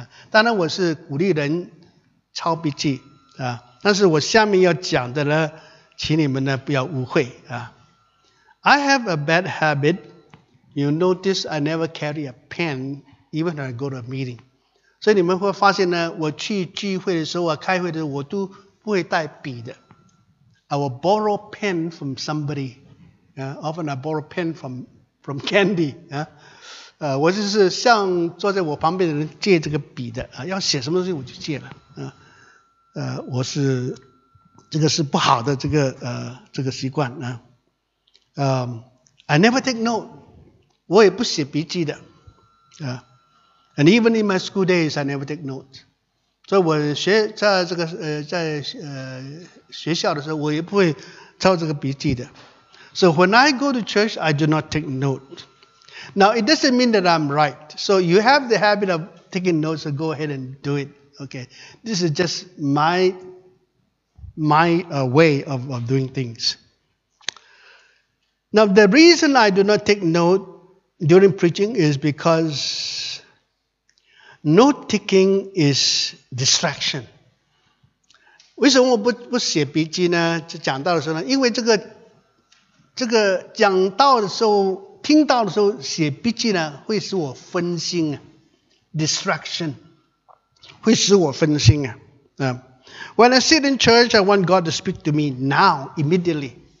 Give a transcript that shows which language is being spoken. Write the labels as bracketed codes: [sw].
[zh] 当然我是鼓励人抄笔记。但是我下面要讲的呢，请你们呢不要误会。 [en] I have a bad habit. You notice I never carry a pen even when I go to a meeting. [zh] 所以你们会发现呢，我去聚会的时候，我开会的时候，我都不会带笔的。 [en] I will borrow pen from somebody. Often I borrow pen from Candy. [zh] 我就是向坐在我旁边的人借这个笔的啊，要写什么东西我就借了。我是这个是不好的这个这个习惯啊。 [en] I never take note. [zh] 我也不写笔记的啊。 [en] And even in my school days, I never take notes. [zh] 所以我学在这个在学校的时候，我也不会抄这个笔记的。 [en] So when I go to church, I do not take notes. Now it doesn't mean that I'm right. So you have the habit of taking notes, so go ahead and do it. Okay, this is just my way of doing things. Now the reason I do not take notes during preaching is because note taking is distraction. [zh] 为什么我不写笔记呢？就讲道的时候呢？因为这个讲道的时候，听到的时候写笔记呢，会使我分心啊。 Distraction 会使我分心啊。 [en] When I sit in church, I want God to speak to me now, immediately.